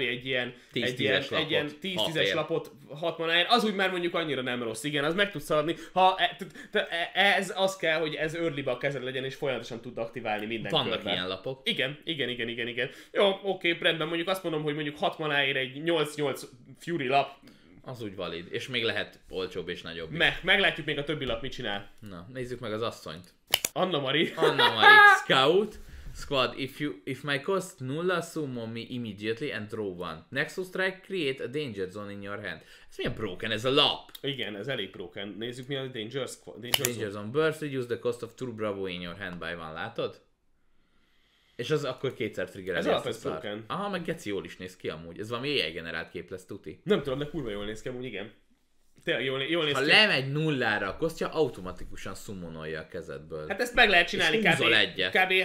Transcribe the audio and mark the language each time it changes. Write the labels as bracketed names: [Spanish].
[Hungarian] Egy ilyen 10-10-es lapot 6 manáért, az úgy már mondjuk annyira nem rossz, igen, az meg tudsz adni, ha ez az kell, hogy ez early-be a kezed legyen, és folyamatosan tud aktiválni minden vannak körben. Ilyen lapok. Igen. Jó, oké, rendben, mondjuk azt mondom, hogy mondjuk 6 manáért egy 8-8 Fury lap. Az úgy valid. És még lehet olcsóbb és nagyobb. Meglátjuk még a többi lap mit csinál. Na, nézzük meg az asszonyt. Anna Mari. Scout. [English] Squad, if my cost 0, summon me immediately and draw 1. Nexus strike, create a danger zone in your hand. [Hungarian] Ez milyen broken, ez a lap. Igen, ez elég broken. Nézzük mi a danger squad. [English] Danger zone. Burst, reduce the cost of 2 bravo in your hand by 1. [Hungarian] Látod? És az akkor kétszer triggerezi ezt a szart. Aha, meg geci jól is néz ki amúgy. Ez valami AI generált kép lesz, tuti. Nem tudom, de kurva jól néz ki amúgy, igen. Tényleg jól néz ha ki. Ha lemegy nullára a kosztja, automatikusan summonolja a kezedből. Hát ezt meg lehet csinálni és húzol egyet. Kb.